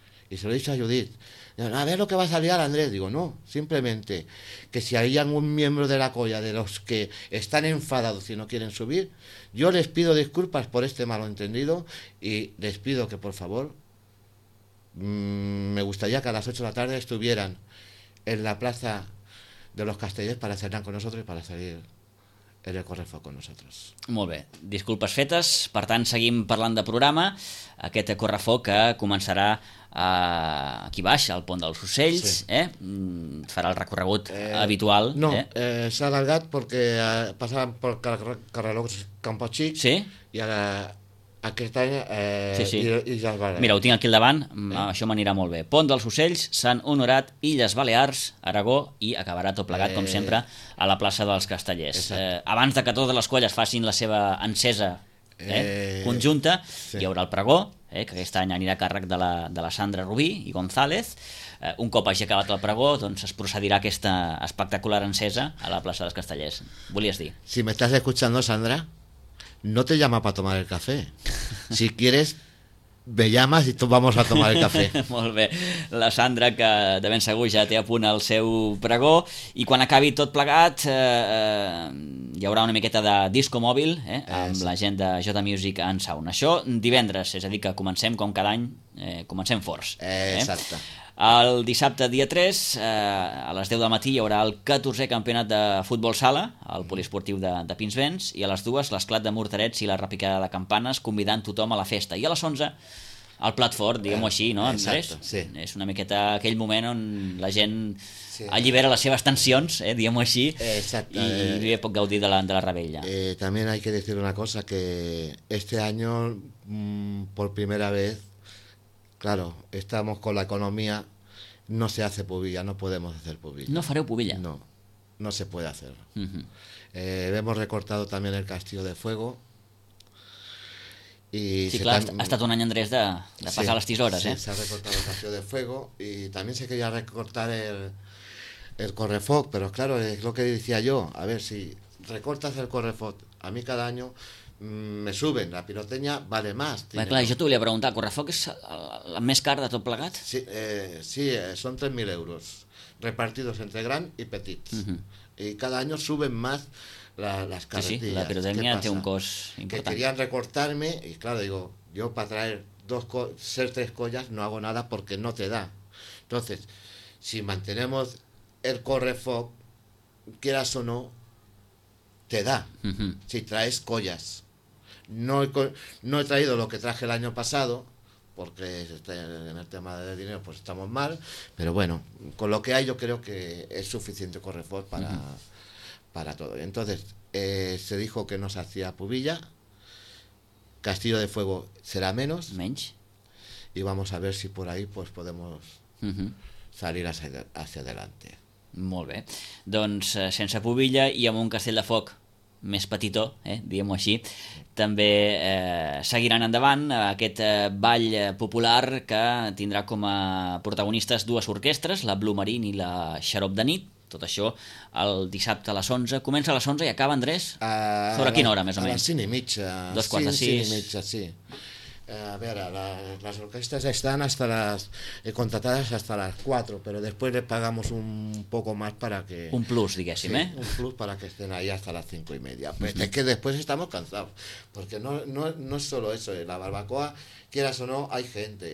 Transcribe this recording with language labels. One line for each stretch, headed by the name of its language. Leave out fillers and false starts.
Spanish: Y se lo he dicho a Judith. A ver lo que va a salir al Andrés. Digo, no, simplemente que si hay algún miembro de la colla de los que están enfadados y no quieren subir, yo les pido disculpas por este malentendido y les pido que, por favor... me gustaría que a las 8 de la tarde estuvieran en la plaza de los Castellers para cenar con nosotros y para salir en el correfoc con nosotros.
Catalan: Molt bé, disculpes fetes. Per tant, seguim parlant de programa. Aquest correfoc que començarà aquí baix, al Pont dels Ocells, sí. Farà el recorregut habitual. No, s'ha allargat perquè passaven pel carreró Campochic, sí? I ara... aquest any i Illes Balears. Mira, ho tinc aquí al davant, això m'anirà molt bé. Pont dels Ocells, Sant Honorat, Illes Balears, Aragó, i acabarà tot plegat, com sempre, a la plaça dels Castellers. Abans de que totes les colles facin la seva encesa conjunta, sí, hi haurà el pregó, que aquest any anirà a càrrec de la Sandra Rubí i González. Un cop hagi acabat el pregó, doncs es procedirà aquesta espectacular encesa a la plaça dels Castellers. Volies dir? Si m'estàs
Spanish: escuchando, Sandra, no te llama para tomar el café. Si quieres, me llamas y vamos a tomar el café.
Catalan: Molt bé. La Sandra, que de ben segur ja té a punt el seu pregó. I quan acabi tot plegat, hi haurà una miqueta de disco mòbil amb la gent de J Music en sauna. Això divendres, és a dir, que comencem com cada any, comencem forts. Exacte. El dissabte dia 3, a les 10 del matí, hi haurà el 14è campionat de futbol sala al poliesportiu de Pinsbens, i a les 2 l'esclat de morterets i la repicada de campanes, convidant tothom a la festa. I a les 11 el plat fort, diguem-ho així, no, Andrés? Exacte, sí. És una miqueta aquell moment on la gent allibera les seves tensions, diguem-ho així, exacte, i pot gaudir de la revella.
Spanish: També hay que decir una cosa, que este año, por primera vez, claro, estamos con la economía, no se hace pubilla, no podemos hacer pubilla.
Catalan: ¿No fareu pubilla?
Spanish: No, no se puede hacer. Uh-huh. Hemos recortado también el Castillo de Fuego. Y sí, claro,
Catalan: ha estat un any, Andrés, de pasar las tisores.
Spanish: Sí, se ha recortado el Castillo de Fuego y también se quería recortar el Correfoc, pero claro, es lo que decía yo, a ver, si recortas el Correfoc, a mí cada año me suben, la piroteña vale más.
Catalan: Bé, clar, jo t'ho volia preguntar, Correfoc és la més cara de tot plegat? Sí, sí, són 3.000 euros repartidos entre gran i petit. Uh-huh. I cada any suben més les carretilles. Sí, la piroteña té un cost important.
Spanish: Que querían recortarme, y claro, digo, yo para traer ser tres collas no hago nada porque no te da. Entonces, si mantenemos el Correfoc, quieras o no, te da. Uh-huh. Si traes collas, no he traído lo que traje el año pasado porque en el tema de dinero pues estamos mal, pero bueno, con lo que hay yo creo que es suficiente Correfoc para, uh-huh, para todo. Entonces, se dijo que no se hacía pubilla. Castillo de Fuego será menos.
Catalan: Menys.
Spanish: Y vamos a ver si por ahí pues podemos, uh-huh, salir hacia adelante.
Catalan: Molt bé, doncs sense pubilla i amb un castell de foc més petitó, diguem-ho així, també seguiran endavant aquest ball popular que tindrà com a protagonistes dues orquestres, la Blue Marine i la Xarop de Nit. Tot això el dissabte a les 11, comença a les 11 i acaba, Andrés? Sobre quina hora, més o menys? A les 5 i mitja. Dos quarts de 6? 5 i mitja, sí.
Spanish: A ver, las orquestas están hasta las contratadas hasta las 4, pero después les pagamos un poco más para que...
Catalan: Un plus, diguéssim, sí, ¿eh?
Spanish: Un plus para que estén ahí hasta las 5 y media. Pues, uh-huh, es que después estamos cansados, porque no es solo eso, la barbacoa, quieras o no, hay gente.